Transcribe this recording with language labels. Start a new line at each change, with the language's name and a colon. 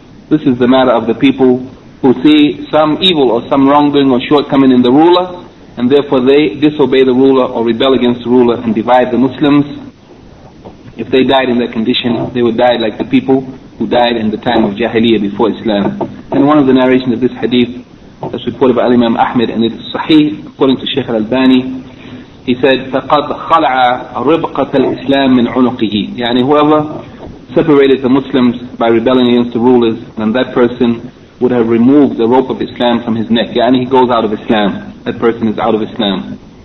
English: This is the matter of the people who see some evil or some wrongdoing or shortcoming in the ruler, and therefore they disobey the ruler or rebel against the ruler and divide the Muslims. If they died in that condition, they would die like the people who died in the time of Jahiliyyah before Islam. And one of the narrations of this hadith is reported by Imam Ahmed, and it's sahih, according to Shaykh al-Albani.
Arabic: He said, فَقَدْ خَلَعَ رِبْقَةَ الْإِسْلَامِ مِنْ عُنُقِهِ.
English: Yani whoever separated the Muslims by rebelling against the rulers, then that person would have removed the rope of Islam from his neck. Yeah, and he goes out of Islam. That person is out of Islam.